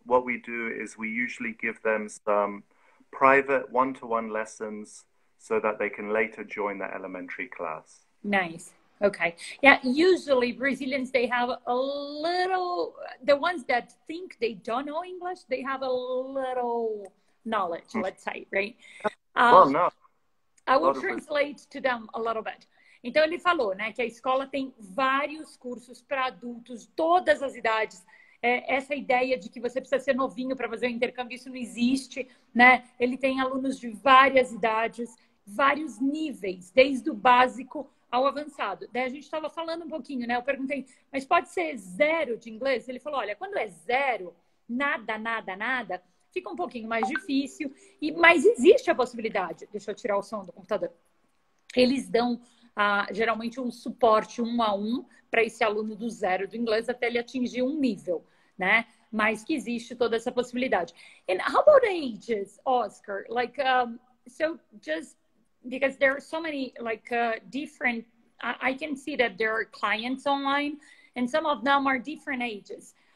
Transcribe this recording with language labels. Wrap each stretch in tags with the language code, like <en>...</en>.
<en>What we do is we usually give them some private one-to-one lessons so that they can later join the elementary class. Nice. Okay. Yeah, usually Brazilians, they have a little, the ones that think they don't know English, they have a little knowledge, let's say, right? Well, no. I will translate to them a little bit.</en> <pt>Então, ele falou, né, que a escola tem vários cursos para adultos, todas as idades. É, essa ideia de que você precisa ser novinho para fazer o intercâmbio, isso não existe, né? Ele tem alunos de várias idades, vários níveis, desde o básico ao avançado. Daí a gente estava falando um pouquinho, né? Eu perguntei, mas pode ser zero de inglês? Ele falou, olha, quando é zero, nada, nada, nada, fica um pouquinho mais difícil, mas existe a possibilidade. Deixa eu tirar o som do computador. Eles dão, geralmente, um suporte um a um para esse aluno do zero do inglês até ele atingir um nível, né? Mas que existe toda essa possibilidade.</pt> <en>And how about ages, Oscar? Like, so just because there are so many, like, different, I can see that there are clients online and some of them are different ages.</en>